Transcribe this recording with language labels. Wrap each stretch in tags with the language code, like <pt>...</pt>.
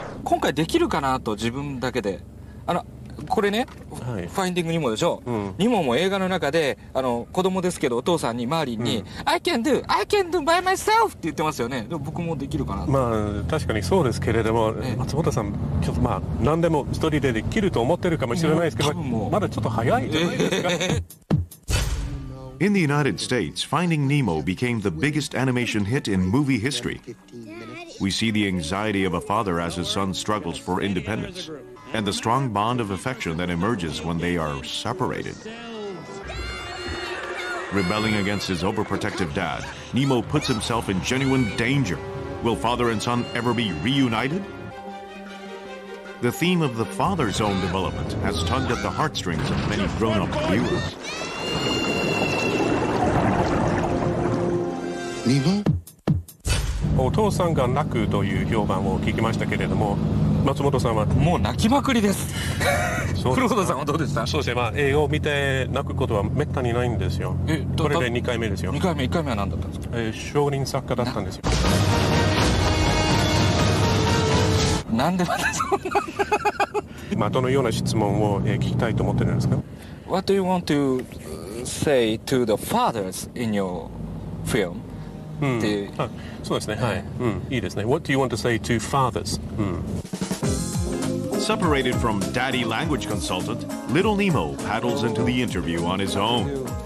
<ja>今回できるかなと自分だけで、これね、はい、ファインディングニモでしょ、うん、ニモも映画の中で子供ですけどお父さんにマーリンに、うん、</ja> <en>I can do by myself</en> <ja>って言ってますよね。でも僕もできるかな、まあ確かにそうですけれども、松本さんちょっとまあ何でも一人でできると思ってるかもしれないですけど、もまだちょっと早いじゃないですか。</ja> <en>In the United States, Finding Nemo became the biggest animation hit in movie history. We see the anxiety of a father as his son struggles for independence, and the strong bond of affection that emerges when they are separated. Rebelling against his overprotective dad, Nemo puts himself in genuine danger. Will father and son ever be reunited? The theme of the father's own development has tugged at the heartstrings of many grown-up viewers.</en> <ja>お父さんが泣くという評判を聞きましたけれども、松本さんはもう泣きまくりです。そうです。古田さんはどうでした？そうですね、まあ、映画を見て泣くことはめったにないんですよ。これで2回目ですよ。 2回目、1回目は何だったんですか？少林作家だったんですよ。なんでまたそんな、まあ、どのような質問を聞きたいと思ってるんですか？</ja> <en>What do you want to say to the fathers in your film? What do you want to say to fathers? Separated from daddy language consultant, little Nemo paddles into the interview on his own.</en>